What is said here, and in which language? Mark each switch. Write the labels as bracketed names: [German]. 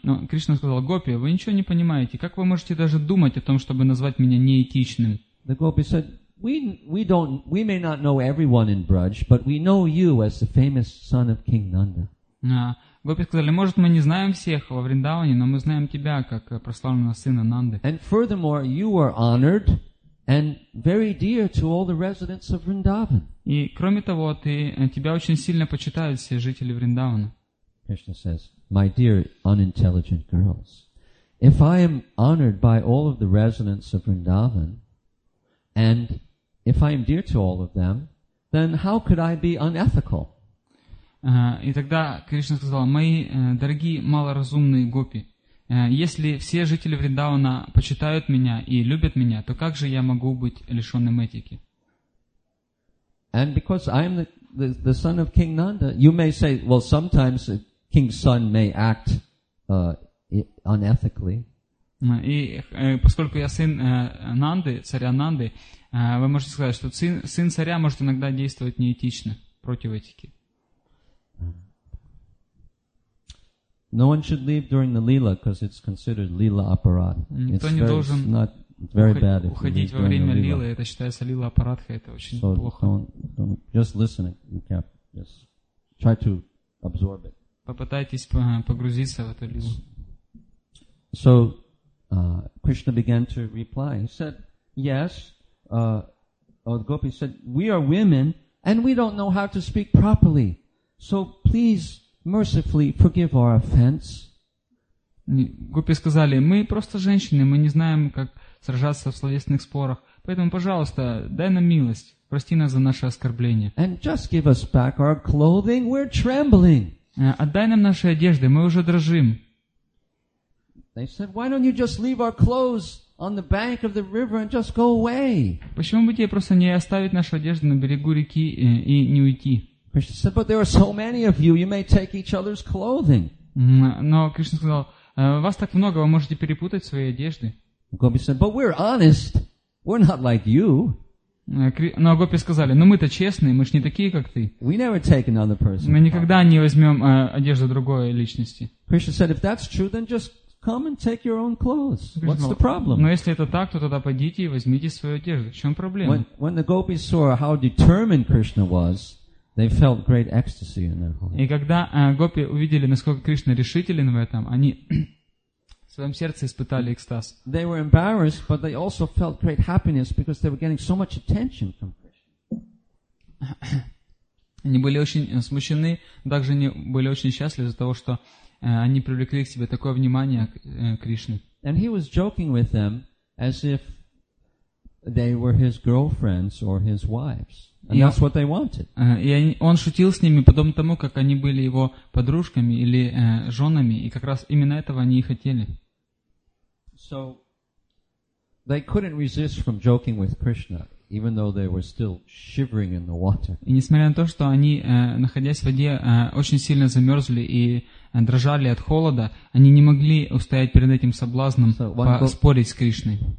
[Russian] Кришна сказал: "Гопи, вы ничего не понимаете. Как вы можете даже думать о том, чтобы назвать меня неэтичным?" [English] The gopi said, We may not know everyone in Braj, but we know you as the famous son of King Nanda." [Russian] Гопи сказали: "Может, мы не знаем всех во Вриндаване, но мы знаем тебя как прославленного сына Нанды." [English] "And furthermore, you are honored and very dear to all the residents of Vrindavan." [Russian] И кроме того, тебя очень сильно почитают все жители Вриндавана. [English] Krishna says, "My dear unintelligent girls, if I am honored by all of the residents of Vrindavan, and if I am dear to all of them, then how could I be unethical?" [Russian] И тогда Кришна сказал: "Мои дорогие малоразумные гопи, если все жители Вриндавана почитают меня и любят меня, то как же я могу быть лишенным этики?" [English] "And because I am the son of King Nanda, you may say, well, sometimes a king's son may act unethically." [Russian] И поскольку я сын Нанды, царя Нанды, вы можете сказать, что сын царя может иногда действовать неэтично, против этики. [English] No one should leave during the lила, because it's considered lila aparat. [Russian] Никто не должен уходить во время лилы, это считается лила аппаратха, это очень плохо. [English] Just listen, just try to absorb it. [Russian] Попытайтесь погрузиться в эту лилу. [English] So Krishna began to reply. He said, "Yes, the gopi said, 'We are women and we don't know how to speak properly. So please mercifully forgive our offense.'" [Russian] Гопи сказали: "Мы просто женщины, мы не знаем, как сражаться в словесных спорах. Поэтому, пожалуйста, дай нам милость." Прости нас за наши оскорбления. [English] And just give us back our clothing, we're trembling. [Russian] Отдай нам наши одежды, мы уже дрожим. [English] They said, why don't you just leave our clothes on the bank of the river and just go away? [Russian] Почему бы тебе просто не оставить нашу одежду на берегу реки и не уйти? [English] Krishna said, but there are so many of you, you may take each other's clothing. [Russian] Но Кришна сказал, вас так много, вы можете перепутать свои одежды. [English] Gopi said, but we're honest, we're not like you. [Russian] Но Гопи сказали, ну мы-то честные, мы ж не такие, как ты. [English] We never take another person. [Russian] Мы никогда не возьмем одежду другой личности. [English] Krishna said, if that's true, then just come and take your own clothes. What's the problem? [Russian] Но если это так, то тогда пойдите и возьмите свою одежду. В чем проблема? [English] When the gopis saw how determined Krishna was, they felt great ecstasy in their hearts. [Russian] И когда гопи увидели, насколько Кришна решителен в этом, они в своем сердце испытали экстаз. [English] They were embarrassed, but they also felt great happiness because they were getting so much attention from Krishna. [Russian] Они были очень смущены, также они были очень счастливы из-за того, что они привлекли к себе такое внимание к Кришне. [English] And he was joking with them as if they were his girlfriends or his wives. And that's what they wanted. [Russian] Он шутил с ними, подобно тому, как они были его подружками или женами, и как раз именно этого они и хотели. [English] So they couldn't resist from joking with Krishna, even though they were still shivering in the water. [Russian] И несмотря на то, что они, находясь в воде, очень сильно замерзли и дрожали от холода, они не могли устоять перед этим соблазном поспорить с Кришной.